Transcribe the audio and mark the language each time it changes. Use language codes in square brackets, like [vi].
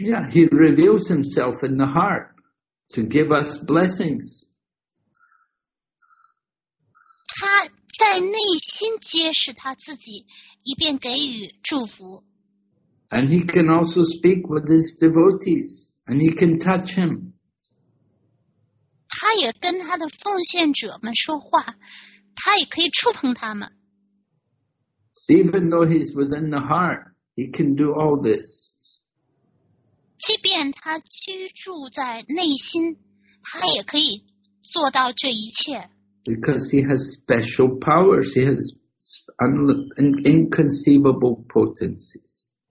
[en] He reveals Himself in the heart to give us blessings. [zh] 他在内心揭示他自己，以便给予祝福。 [en] And He can also speak with His devotees, and He can touch Him. [zh] 他也跟他的奉献者们说话，他也可以触碰他们。 [en] Even though He's within the heart, He can do all this. [zh] 即便他居住在内心， 他也可以做到这一切。 [en] Because He has special powers, He has inconceivable potencies.